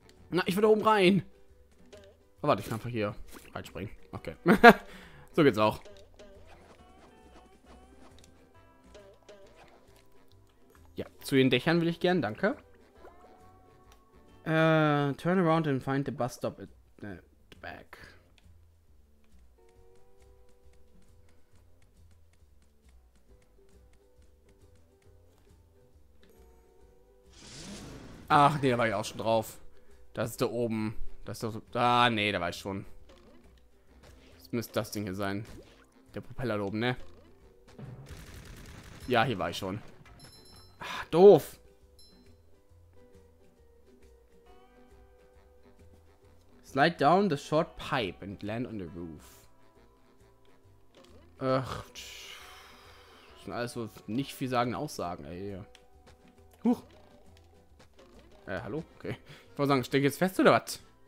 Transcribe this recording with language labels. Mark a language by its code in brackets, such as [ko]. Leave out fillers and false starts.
[de] Na, ich will da oben rein. Oh, warte, ich kann einfach hier reinspringen. Okay. So geht's auch. Ja, zu den Dächern will ich gern, danke. [en] Turn around and find the bus stop at the back. [de] Ach nee, da war ich auch schon drauf. Das ist da oben. Das ist da. Ah, nee, da war ich schon. Das müsste das Ding hier sein. Der Propeller da oben, ne? Ja, hier war ich schon. Ach, doof. [en] Slide down the short pipe and land on the roof. [de] Ach. Das sind alles so nicht viel sagen Aussagen, ey. Huch. Hallo? Okay. Ich wollte sagen, steck jetzt fest oder was?